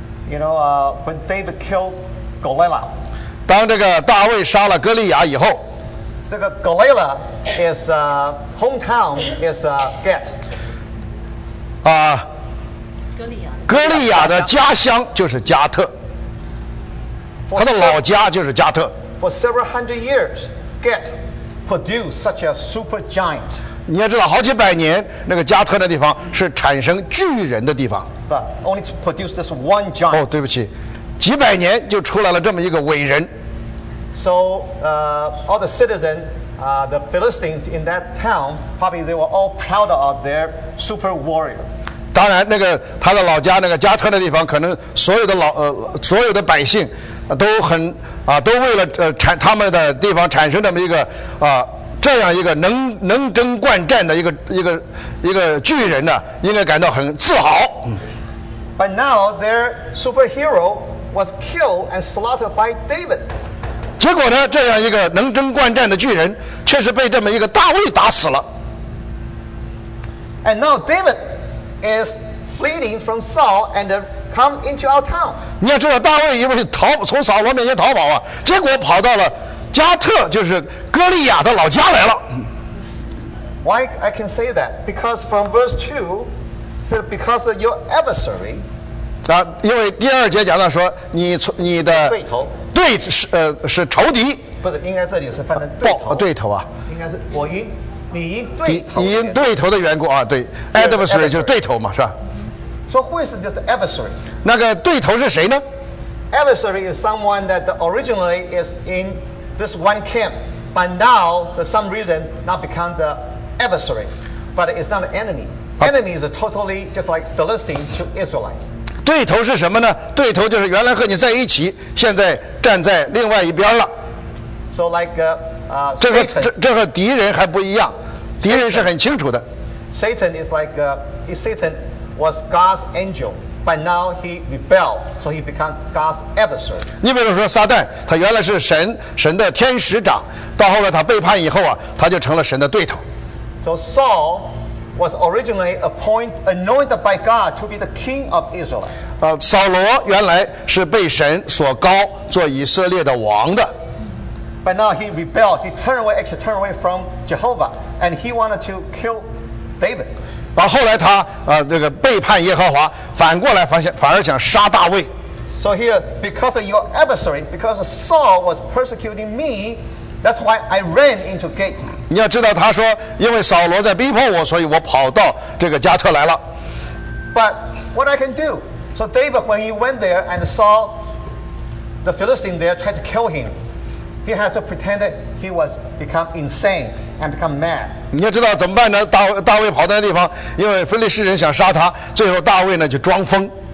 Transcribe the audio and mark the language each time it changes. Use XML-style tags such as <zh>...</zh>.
<en>You know, when David killed Goliath.</en> <zh>当这个大卫杀了哥利亚以后。这个</zh> <en>Goliath is hometown is Gath. 啊，</en> <zh>哥利亚的家乡就是加特，他的老家就是加特。</zh> <en>For several hundred years, Gath produced such a super giant.</en> <zh>你要知道，好几百年，那个加特的地方是产生巨人的地方。</zh> <en>But only to produce this one giant.</en> <zh>哦，对不起，几百年就出来了这么一个伟人。</zh> <en>So, all the citizens, the Philistines in that town, probably they were all proud of their super warrior.</en> <zh>当然，那个他的老家那个加特的地方，可能所有的百姓，都很都为了他们的地方产生这么一个这样一个能征惯战的一个巨人呢，应该感到很自豪。</zh> <en>But now their superhero was killed and slaughtered by David.</en> <zh>结果呢，这样一个能征惯战的巨人却是被这么一个大卫打死了。</zh> <en>And now David is fleeing from Saul and come into our town.</en> <zh>你要知道大卫因为从扫罗面前逃跑啊，结果跑到了加特，就是哥利亚的老家来了。</zh> <en>Why I can say that? Because from verse 2 said because of your adversary.</en> <zh>啊，因为第二节讲到说你的对头。对，是仇敌，不是应该这里是犯的对头啊，应该是我因你因对头，你因对头的缘故啊，对 adversary 就是对头嘛，是吧？所以</zh> <en>who is this adversary？</en> <zh>那个对头是谁呢</zh> <en>？Adversary is someone that originally is in this one camp, but now for some reason not become the adversary, but it's not an enemy. Enemy is totally just like Philistine to Israelites.</en> <zh>对头是什么呢？对头就是原来和你在一起，现在站在另外一边了。</zh> <en>So like,</en> <zh>这和敌人还不一样，敌人是很清楚的。</zh> <en>Satan is like, is Satan was God's angel, but now he rebelled, so he became God's adversary.</en> <zh>你比如说撒旦，他原来是神的天使长，到后来他背叛以后啊，他就成了神的对头。</zh> <en>So Saul was originally anointed by God to be the king of Israel.</en> <zh>扫罗原来是被神所高做以色列的王的。</zh> <en>But now he rebelled. He turned away, actually turned away from Jehovah, and he wanted to kill David.</en> <zh>后来他这个背叛耶和华，反过来反而想杀大卫。</zh> <en>So here, because of your adversary, because Saul was persecuting me, that's why I ran into gate.</en> <zh>你要知道，他说因为扫罗在逼迫我，所以我跑到这个加特来了。</zh> <en>But what I can do? So David, when he went there and saw the Philistine there, tried to kill him. He has to pretend that he was become insane and become mad.</en> <zh>你要知道怎么办呢？大卫跑到那地方，因为非利士人想杀他，最后大卫呢就装疯。</zh>